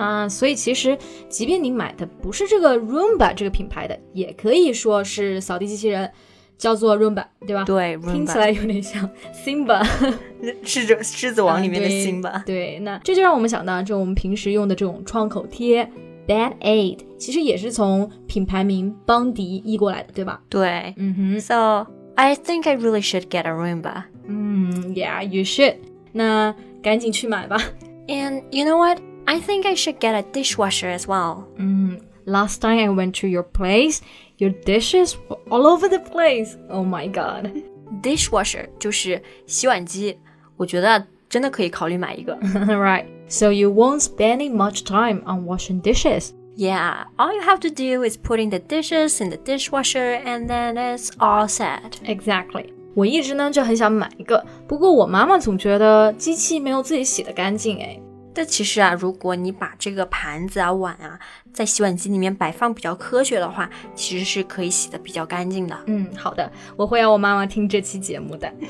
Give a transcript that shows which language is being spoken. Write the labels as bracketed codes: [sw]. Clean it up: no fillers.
[zh] 所以其实即便你买的不是这个 Roomba 这个品牌的，也可以说是扫地机器人，叫做 Roomba， 对吧？对， Roomba 听起来有点像 Simba，狮子王里面的 Simba。对，那这就让我们想到，就我们平时用的这种创口贴 Band-Aid， 其实也是从品牌名邦迪译过来的，对吧？ [en] 对，So I think I really should get a Roomba. Yeah, you should. [zh] 那赶紧去买吧。 [en] And you know what? I think I should get a dishwasher as well. Last time I went to your place. Your dishes were all over the place. Oh my god. [zh] Dishwasher 就是洗碗机，我觉得真的可以考虑买一个。 [en] Right. So you won't spend much time on washing dishes. Yeah. All you have to do is putting the dishes in the dishwasher and then it's all set. Exactly. [zh] 我一直呢就很想买一个，不过我妈妈总觉得机器没有自己洗得干净哎。但其实啊，如果你把这个盘子啊碗啊在洗碗机里面摆放比较科学的话，其实是可以洗得比较干净的。好的，我会让我妈妈听这期节目的。